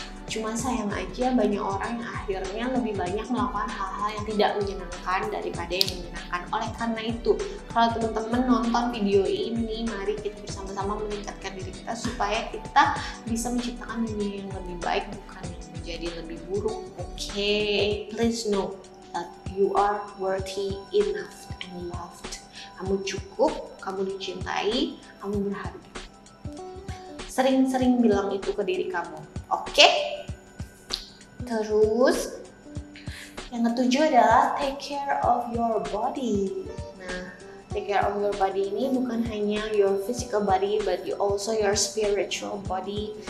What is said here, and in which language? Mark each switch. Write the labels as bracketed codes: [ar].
[id] Cuma sayang aja banyak orang yang akhirnya lebih banyak melakukan hal-hal yang tidak menyenangkan daripada yang menyenangkan. Oleh karena itu, kalau teman-teman nonton video ini, mari kita bersama-sama meningkatkan diri kita supaya kita bisa menciptakan dunia yang lebih baik, bukan yang menjadi lebih buruk. [en] Okay, please know that you are worthy enough and loved. [id] Kamu cukup, kamu dicintai, kamu berharga. Sering-sering bilang itu ke diri kamu, oke? Terus, yang ketujuh adalah [en] take care of your body. Nah, take care of your body [id] ini bukan hanya [en] your physical body, but you also your spiritual body.